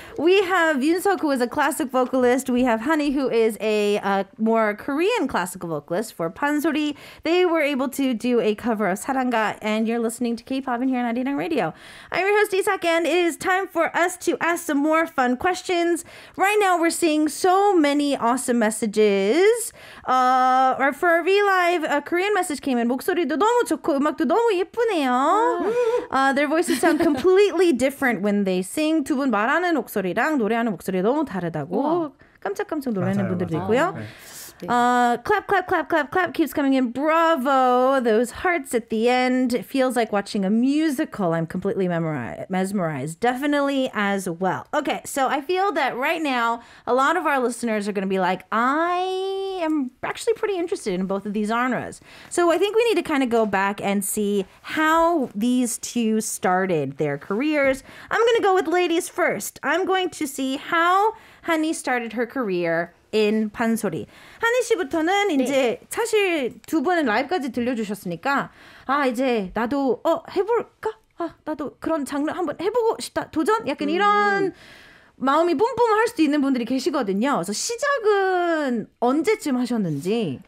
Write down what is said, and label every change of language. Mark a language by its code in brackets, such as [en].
[en] We have Yoon-suk, who is a classic vocalist. We have Honey, who is a more Korean classical vocalist for Pansori. They were able to do a cover of Saranga, and you're listening to K-pop in here on Arirang Radio. I'm your host, Isak, and it is time for us to ask some more fun questions. Right now, we're seeing so many awesome messages. Or for a V-Live, a Korean message came in. [ko] 목소리도 너무 좋고 음악도 너무 예쁘네요. [en] Their voices sound completely different when they sing. [ko] 두 분 말하는 목소리랑 노래하는 목소리 너무 다르다고 깜짝깜짝 놀라는 맞아요, 분들도 맞아요. 있고요. [en] clap, clap, clap, clap, clap keeps coming in. Bravo! Those hearts at the end. It feels like watching a musical. I'm completely mesmerized. Definitely as well. Okay, so I feel that right now, a lot of our listeners are going to be like, I am actually pretty interested in both of these genres. So I think we need to kind of go back and see how these two started their careers. I'm going to go with ladies first. I'm going to see how Honey started her career in 판소리. [ko] 하니 씨부터는 이제 네. 사실 두 분은 라이브까지 들려주셨으니까 아 이제 나도 해볼까? 아 나도 그런 장르 한번 해보고 싶다. 도전? 약간 이런 마음이 뿜뿜할 수도 있는 분들이 계시거든요. 그래서 시작은 언제쯤 하셨는지?